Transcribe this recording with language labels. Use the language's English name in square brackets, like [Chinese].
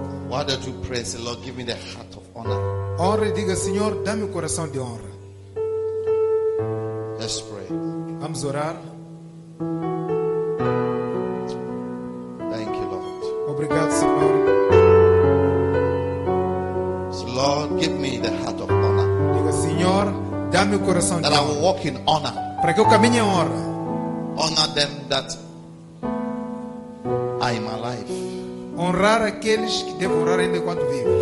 [English] Why don't you pray, say, Lord, give me the heart of honor. [Portuguese] Ore, diga, Senhor, dá-me o coração de honra. [English] Let's pray. [Portuguese] Vamos orar. [English] Thank you, Lord. [Portuguese] Obrigado, Senhor. [English] So, Lord, give me the heart of honor. [Portuguese] Diga, Senhor, dá-me o coração [English] that [Portuguese] de honra. [English] That I will walk in honor. [Portuguese] Para que eu caminhe em honra. [English] Honor them that are in my life. [Portuguese] Honrar aqueles que devo honrar ainda enquanto vivo.